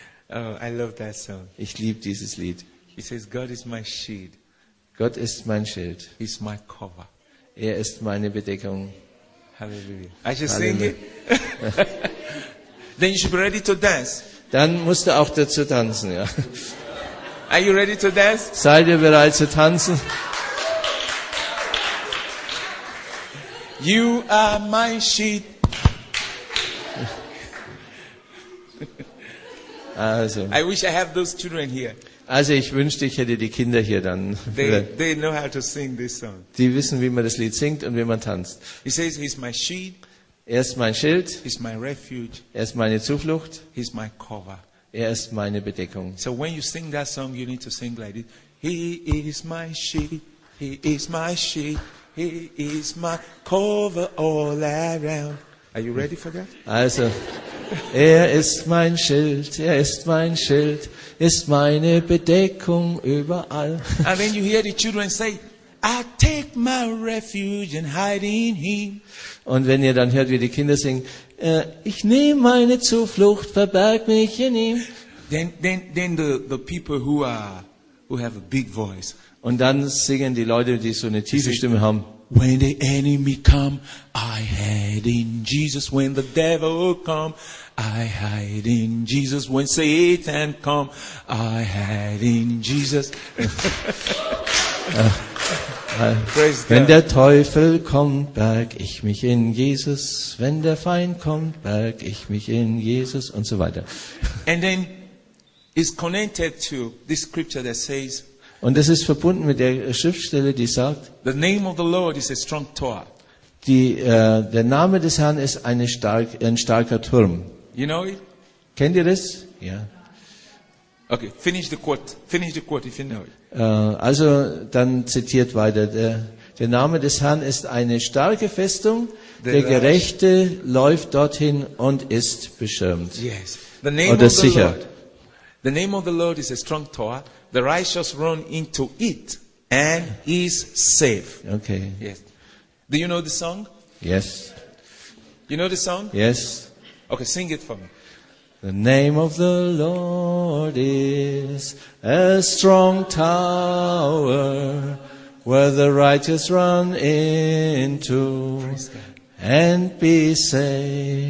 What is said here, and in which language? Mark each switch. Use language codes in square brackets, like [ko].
[en] Oh, I love that song. [de] Ich liebe dieses Lied. [en] He says, God is my shield. [de] Gott ist mein Schild. [en] He's my cover. [de] Er ist meine Bedeckung. [en] Hallelujah. I just sing it. Then you should be ready to dance. [de] Dann musst du auch dazu tanzen, ja. [en] Are you ready to dance? [de] Seid ihr bereit zu tanzen? [en] You are my shield. [de] Also. [en] I wish I have those children here. [de] Also, ich wünschte, ich hätte die Kinder hier dann. [en] They know how to sing this song. [de] Die wissen, wie man das Lied singt und wie man tanzt. [en] He says, he's my shield. [de] Er ist mein Schild. [en] He's my refuge. [de] Er ist meine Zuflucht. [en] He's my cover. [de] Er ist meine Bedeckung. [en] So when you sing that song, you need to sing like this. He is my shield. He is my shield. He is my cover all around. Are you ready for that? [de] Also, er ist mein Schild, er ist mein Schild, ist meine Bedeckung überall. [en] And then you hear the children say, I take my refuge and hide in him. [de] Und wenn ihr dann hört, wie die Kinder singen, ich nehme meine Zuflucht, verberg mich in ihm. [en] Then the people who have a big voice. [de] Und dann singen die Leute, die so eine tiefe Stimme haben. [en] When the enemy come, I hide in Jesus. When the devil come, I hide in Jesus. When Satan come, I hide in Jesus. Praise God. [de] Wenn der Teufel kommt, berg ich mich in Jesus. Wenn der Feind kommt, berg ich mich in Jesus. Und so weiter. [en] And then it's connected to this scripture that says, [de] und das ist verbunden mit der Schriftstelle, die sagt, [en] the name of the Lord is a strong tower. [de] Der Name des Herrn ist ein starker Turm. [en] You know it? [de] Kennt ihr das? Ja. [en] Okay, finish the quote if you know it. [de] Also, dann zitiert weiter. Der Name des Herrn ist eine starke Festung. Der Gerechte läuft dorthin und ist beschirmt. [en] Yes. The name oder of sicher. The Lord. The name of the Lord is a strong tower. The righteous run into it and is safe. Okay. Yes. Do you know the song? Yes. You know the song? Yes. Okay, sing it for me. The name of the Lord is a strong tower where the righteous run into and be safe.